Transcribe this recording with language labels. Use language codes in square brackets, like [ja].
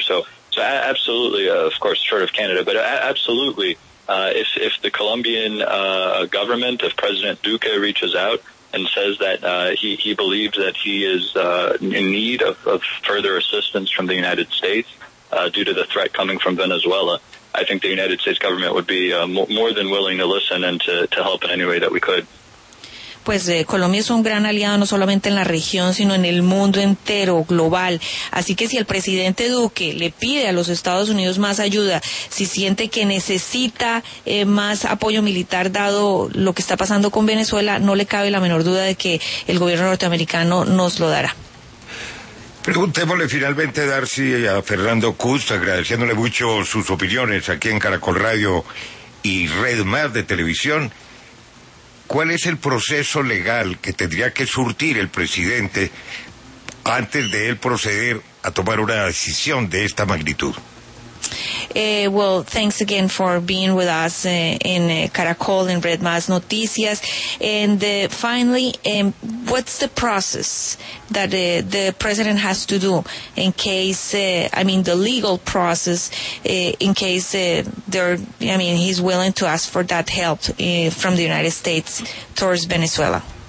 [en] So absolutely, of course, short of Canada, but absolutely, if the Colombian government, if President Duque reaches out and says that he believes that he is in need of further assistance from the United States due to the threat coming from Venezuela, I think the United States government would be more than willing to listen and to help in any way that we could. [es] Pues Colombia es un gran aliado no solamente en la región, sino en el mundo entero, global. Así que si el presidente Duque le pide a los Estados Unidos más ayuda, si siente que necesita más apoyo militar dado lo que está pasando con Venezuela, no le cabe la menor duda de que el gobierno norteamericano nos lo dará. Preguntémosle finalmente, Darcy, a Fernando Kutz, agradeciéndole mucho sus opiniones aquí en Caracol Radio y Red Más de Televisión. ¿Cuál es el proceso legal que tendría que surtir el presidente antes de él proceder a tomar una decisión de esta magnitud? [en] Thanks again for being with us in Caracol and Red Más Noticias. And finally, what's the process that the president has to do in case, the legal process, in case he's willing to ask for that help from the United States towards Venezuela?